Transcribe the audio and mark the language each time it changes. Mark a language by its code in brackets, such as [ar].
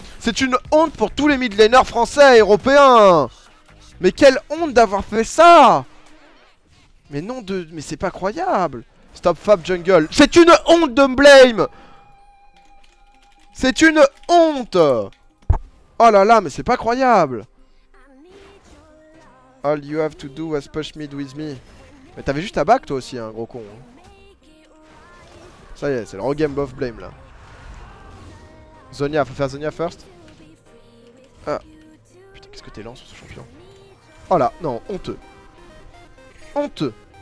[fr] C'est une honte pour tous les midlaners français et européens. Mais quelle honte d'avoir fait ça. Mais non de... Mais c'est pas croyable. Stop Fab Jungle. C'est une honte, Dumblame. C'est une honte. Oh là là, mais c'est pas croyable. [en] All you have to do was push mid with me. [fr] Mais t'avais juste à back toi aussi, hein, gros con. Ça y est, c'est le regame of blame là. Zhonya, faut faire Zhonya first. Ah. Putain, qu'est-ce que t'es lent sur ce champion. Oh là, non, honteux. Honteux.